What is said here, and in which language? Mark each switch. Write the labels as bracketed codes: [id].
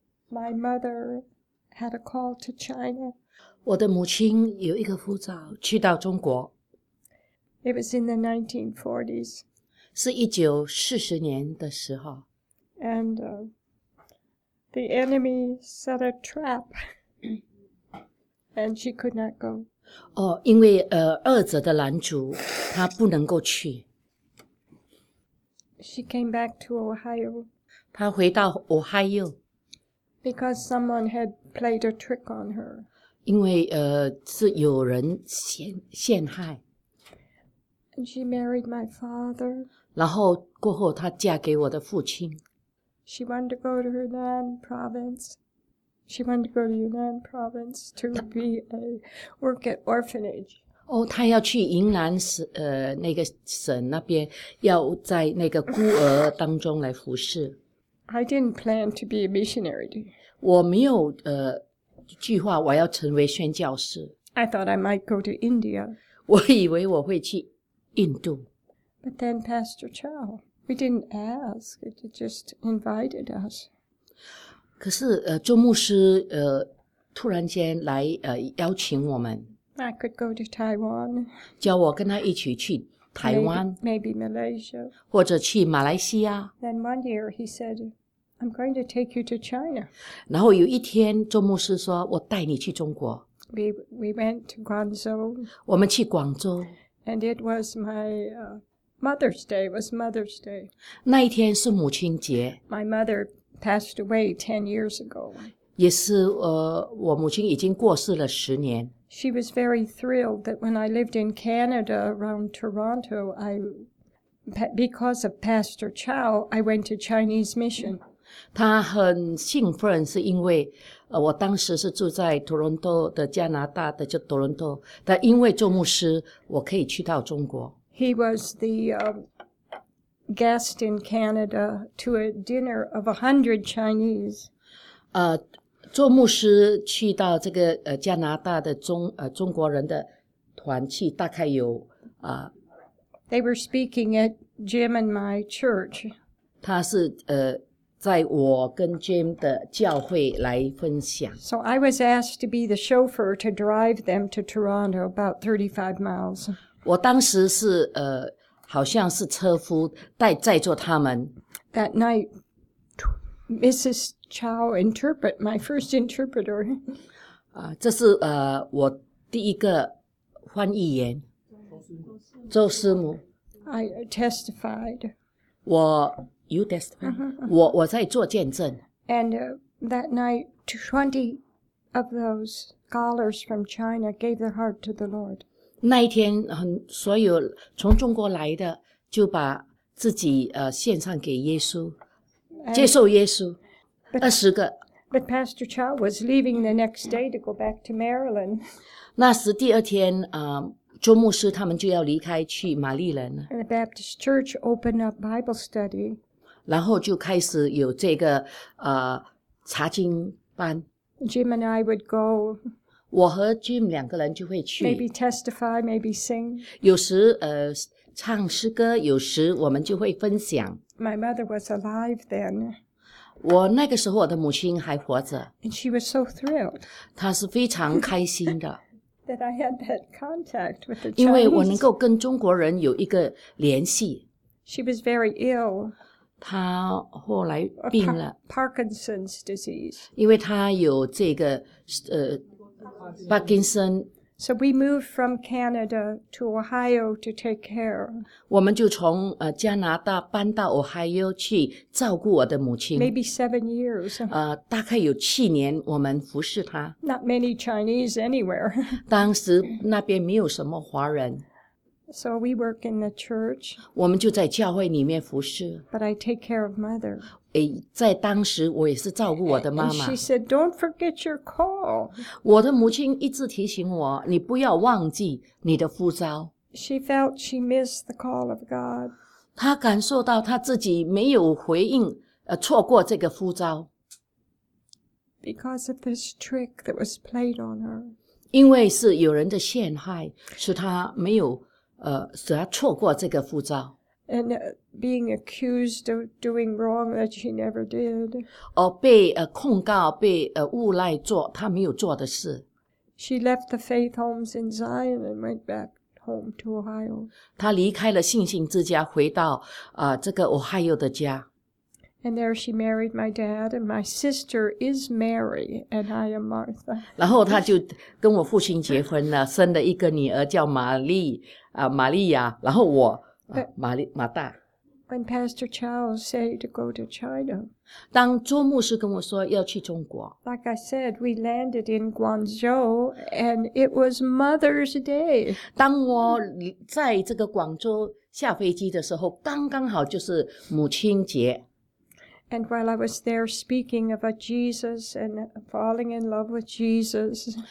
[en] My mother had a call to China. [zh] 我的母亲有一个呼召去到中国。 [en] It was in the 1940s. [zh] 是1940年的时候。 [en] And the enemy set a trap, and she could not go. [zh] 哦，因为恶者的拦阻，她不能够去。 [en] She came back to Ohio. [zh] 她回到 Ohio. [en] Because someone had played a trick on her. [zh] 因为是有人陷害。 [en] And she married my father. [zh] 然后过后她嫁给我的父亲。 [en] She wanted to go to Hunan province. She wanted to go to Yunnan province to be a work at orphanage. [zh] 哦，她要去云南那个省那边，要在那个孤儿当中来服侍。 [en] I didn't plan to be a missionary. [zh] 我没有计划我要成为宣教士。 [en] I thought I might go to India. [zh] 我以为我会去印度。 [en] But then Pastor Chow, we didn't ask; it just invited us. [zh] 可是周牧师突然间来邀请我们 [en] I could go to Taiwan [zh] 叫我跟他一起去台湾 [en] maybe Malaysia [zh] 或者去马来西亚 [en] Then one year he said I'm going to take you to China [zh] 然后有一天周牧师说我带你去中国 [en] We went to Guangzhou [zh] 我们去广州 [en] And it was my Mother's Day was Mother's Day [zh] 那一天是母亲节 [en] My motherPassed away 10 years ago. [zh] 也是我母亲已经过世了十年。 [en] She was very thrilled that when I lived in Canada around Toronto, because of Pastor Chow, I went to Chinese mission. [zh] 她很兴奋，是因为我当时是住在多伦多的加拿大的就多伦多，但因为周牧师，我可以去到中国。 [en] He was the guest in Canada to a dinner of 100 Chinese. [zh] 周牧师去到这个加拿大的中国人的团去，大概有 [en] They were speaking at Jim and my church. [zh] 他是在我跟 Jim 的教会来分享。 [en] So I was asked to be the chauffeur to drive them to Toronto, about 35 miles. [zh] 我当时是好像是车夫带载着他们。 [en] That night, Mrs. Chow interpret my first interpreter. [zh] 这是我第一个翻译员，周师母。 [en] I testified. [zh] 我 [en] you testified. [zh] 我在做见证。 [en] And that night, 20 of those scholars from China gave their heart to the Lord. [zh] 那一天所有从中国来的就把自己献上给耶稣接受耶稣二十个 [en] But Pastor Chow was leaving the next day to go back to Maryland [zh] 那时第二天周牧师他们就要离开去玛丽兰 [en] And the Baptist Church opened up Bible study [zh] 然后就开始有这个查经班 [en] Jim and I would go [zh] 我和 Jim 两个人就会去 [en] Maybe testify, maybe sing [zh] 有时唱诗歌有时我们就会分享 [en] My mother was alive then [zh] 我那个时候我的母亲还活着 [en] And she was so thrilled [zh] 她是非常开心的 [en] That I had that contact with the Chinese [zh] 因为我能够跟中国人有一个联系 [en] She was very ill [zh] 她后来病了 [en] Parkinson's disease [zh] 因为她有这个帕金森 [en] So we moved from Canada to Ohio to take care. [zh] 我们就从加拿大搬到 Ohio 去照顾我的母亲。 [en] Maybe 7 years. [zh] 大概有7年我们服侍她。 [en] Not many Chinese anywhere. [zh] 当时那边没有什么华人。 [en] So we work in the church. [zh] 我们就在教会里面服侍。 [en] But I take care of mother. [zh] 在当时我也是照顾我的妈妈。 [en] And she said, don't forget your call. [zh] 我的母亲一直提醒我，你不要忘记你的呼召。 [en] She felt she missed the call of God. [zh] 她感受到她自己没有回应，错过这个呼召。 [en] Because of this trick that was played on her. [zh] 因为是有人的陷害，使她没有使他错过这个护照。 [en] And being accused of doing wrong that she never did. [zh] 被控告，被诬赖做他没有做的事。 [en] She left the faith homes in Zion and went back home to Ohio. [zh] 他离开了信心之家，回到这个 Ohio 的家。 [en] And there she married my dad, and my sister is Mary, and I am Martha. [zh] 然后他就跟我父亲结婚了，生了一个女儿叫玛丽。玛利亚，然后我，马大。 [en] When Pastor Chow said to go to China, [zh] 当周牧师跟我说要去中国。 [en] Like I said, we landed in Guangzhou, and it was Mother's Day. [zh] 当我在这个广州下飞机的时候，刚刚好就是母亲节。 [en] And while I was there speaking about Jesus and falling in love with Jesus,